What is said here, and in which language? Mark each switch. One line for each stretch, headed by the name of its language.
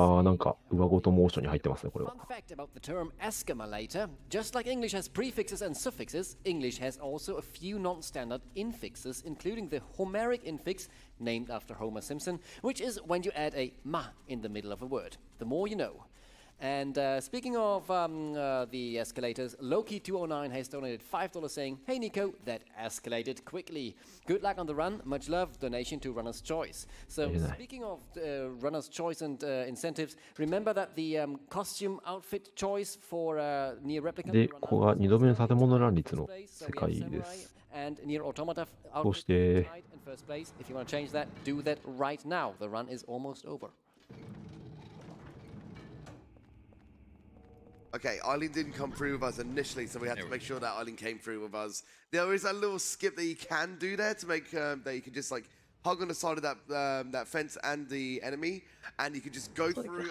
Japanese: ああ、なんか上ごとモーションに入ってますね、これは。
English: Fun fact about the term escalator: just like English has prefixes and suffixes, English has also a few non-standard infixes, including the Homeric infix named after Homer Simpson, which is when you add a ma in the middle of a word. The more you know. And speaking of the escalators, Loki 209 has donated $5 saying, Hey Nico, that escalated quickly. Good luck on the run. Much love. Donation to Runner's Choice. So speaking of Runner's Choice and incentives, remember that the costume outfit choice for Near Replicant...
Japanese: で、ここが2度目の建物乱立の世界です。
English: And Near Automata...
Japanese: そして、
English: If you want to change that, do that right now. The run is almost over. Okay, Eileen didn't come through with us initially, so we had to make sure that Eileen came through with us. There is a little skip that you can do there to make that you can just like hug on the side of that that fence and the enemy, and you can just go through.